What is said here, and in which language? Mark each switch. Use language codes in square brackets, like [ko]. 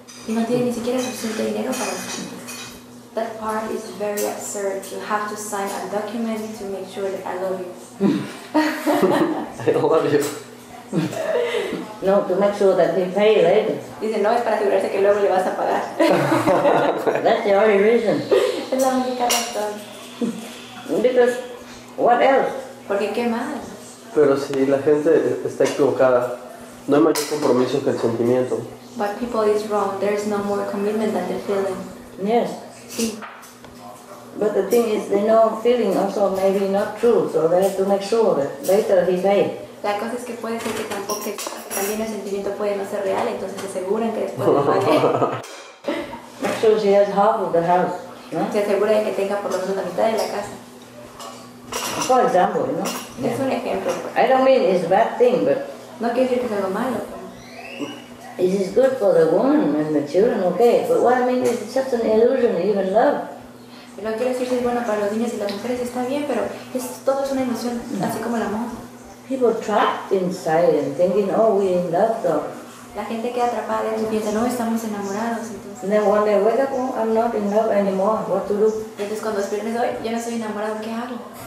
[es] Y no tienen ni siquiera suficiente dinero para los chicos. [en] That part is very absurd. You have to sign a document to make sure that I love you. I love you. No, to make sure that they pay later. [es] Dice, no, es para asegurarse que luego le vas a pagar. [en] That's the only reason. [es] Es la única razón. [en] Because, what else? [es] Porque, ¿qué más? Pero si la gente está equivocada, no hay mayor compromiso que el sentimiento. [en] But people is wrong. There is no more commitment than the feeling. Yes. [es] Sí. [en] But the thing is, they know feeling also maybe not true, so they have to make sure that later he paid. [es] La cosa es que puede ser que tampoco que también el sentimiento puede no ser real, entonces se aseguran que después le pague. [en] Make sure she has half of the house. [es] Se asegura de que tenga por lo menos la mitad de la casa. [en] For example, you know? [es] Yeah. Es un ejemplo. [en] I don't mean it's a bad thing, but... [es] No quiere decir que sea algo malo. [en] It is good for the woman and the children, okay. But what I mean is, it's just an illusion, even love. [es] Lo quiero decir es bueno para los niños y las mujeres está bien, pero es todo es una ilusión, así como el amor. [en] People trapped inside and thinking, oh, we're in love, though. [es] La gente queda atrapada y piensa, no, estamos enamorados, entonces. [en] And then when they wake up, oh, I'm not in love anymore. What to do? [es] Entonces cuando despierten, hoy yo no estoy enamorado, ¿qué hago?